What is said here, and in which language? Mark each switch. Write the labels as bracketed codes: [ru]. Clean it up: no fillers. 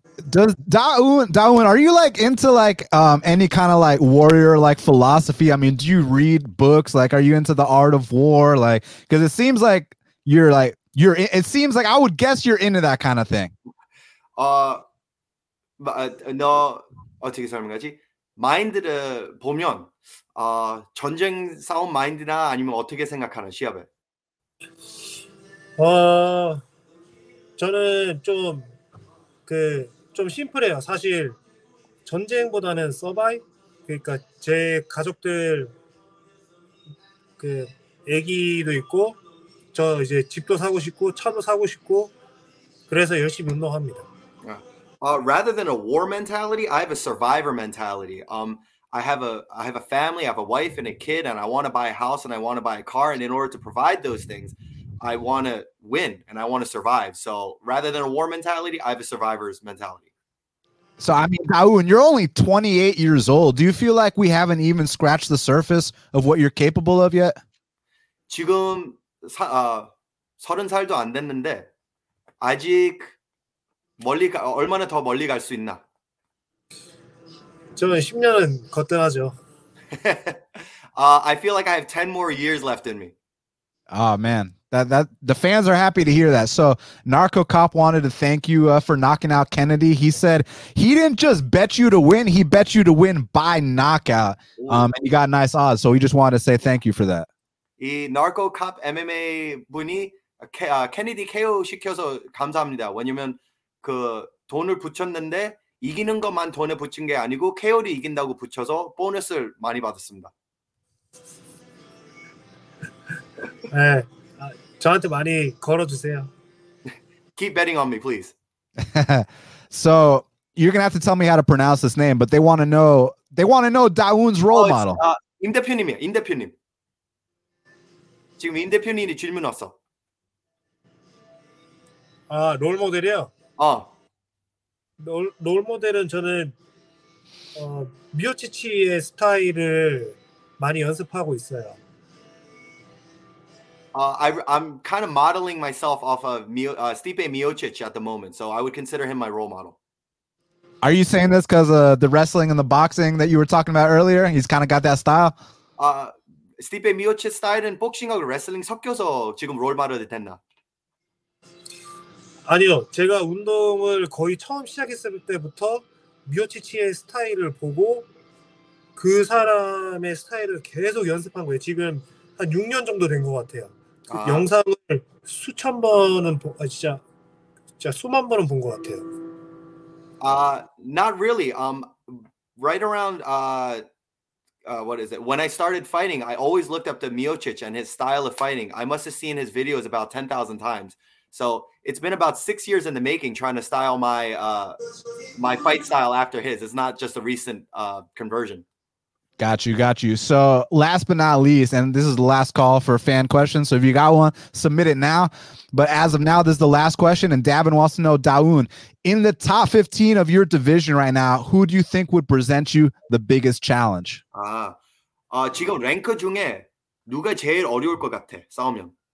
[en] Does Daun, are you like into like any kind of like warrior like philosophy? I mean, do you read books? Like, are you into the art of war? Like, because it seems like you're like you're in, it seems like I would guess you're into that kind of thing. [ko] No, 어떻게 설명하지? 마인드를 보면 전쟁 싸움 마인드나 아니면 어떻게 생각하는 시합에? 저는 좀 그 좀 심플해요. 사실 전쟁보다는 서바이 그러니까 제 가족들 그 아기도 있고 저 이제 집도 사고 싶고 차도 사고 싶고 그래서 열심히 운동합니다. [en] Rather than a war mentality, I have a survivor mentality. I have a family, I have a wife and a kid, and I want to buy a house and I want to buy a car. And in order to provide those things, I want to win and I want to survive. So rather than a war mentality, I have a survivor's mentality. So, I mean, Daun, you're only 28 years old. Do you feel like we haven't even scratched the surface of what you're capable of yet? [ko] 지금 서른 살도 안 됐는데 아직 멀리 가, 얼마나 더 멀리 갈 수 있나? 저는 10년은 거뜬하죠. [en] I feel like I have 10 more years left in me. Oh, man. That the fans are happy to hear that. So Narco Cop wanted to thank you for knocking out Kennedy. He said he didn't just bet you to win. He bet you to win by knockout. And you got nice odds. So he just wanted to say thank you for that. [ko] 이 Narco Cop MMA 분이 Kennedy KO 시켜서 감사합니다. 왜냐면 그 돈을 붙였는데 이기는 것만 돈에 붙인 게 아니고 KO를 이긴다고 붙여서 보너스를 많이 받았습니다. 네, 저한테 많이 걸어주세요. [en] Keep betting on me, please. So you're gonna have to tell me how to pronounce this name, but they want to know Daun's role model. [ko] 임 대표님이야, 임 대표님. 지금 임 대표님이 질문 왔어. 아, 롤 모델이요? 롤 모델은 저는 미오치치의 스타일을 많이 연습하고 있어요. [en] I'm kind of modeling myself off of Stipe Miocic at the moment, so I would consider him my role model. Are you saying this because of the wrestling and the boxing that you were talking about earlier? He's kind of got that style. Stipe Miocic style and boxing or wrestling [ko] 섞여서 지금 롤 모델이 됐나? 아니요. 제가 운동을 거의 처음 시작했을 때부터 미오치치의 스타일을 보고 그 사람의 스타일을 계속 연습한 거예요. 지금 한 6년 정도 된 것 같아요. 그 영상을 수천 번은 진짜 수만 번은 본 것 같아요. [en] Not really. Right around what is it? When I started fighting, I always looked up to Miocic and his style of fighting. I must have seen his videos about 10,000 times. So it's been about 6 years in the making trying to style my fight style after his. It's not just a recent conversion. Got you, got you. So last but not least, and this is the last call for a fan question. So if you got one, submit it now. But as of now, this is the last question. And Davin wants to know, Daun, in the top 15 of your division right now, who do you think would present you the biggest challenge? [ko] 지금 랭크 중에 누가 제일 어려울 것 같아, 싸우면?